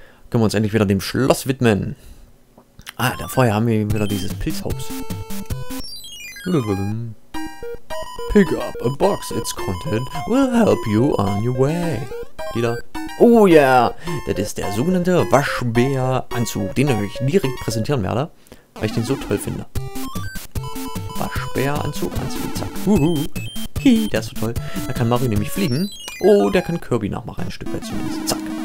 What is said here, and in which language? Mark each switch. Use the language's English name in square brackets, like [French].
[German] Können wir uns endlich wieder dem Schloss widmen. Ah, da vorher haben wir wieder dieses Pilzhaus. [English] Pick up a box, its content will help you on your way. [German] Wieder. [English] Oh yeah! [German] Das ist der sogenannte Waschbär-Anzug, den ich euch direkt präsentieren werde, weil ich den so toll finde. Waschbär-Anzug, Anzug, zack. Hi, der ist so toll. Da kann Mario nämlich fliegen. Oh, der kann Kirby nachmachen, ein Stück weit zumindest. Zack.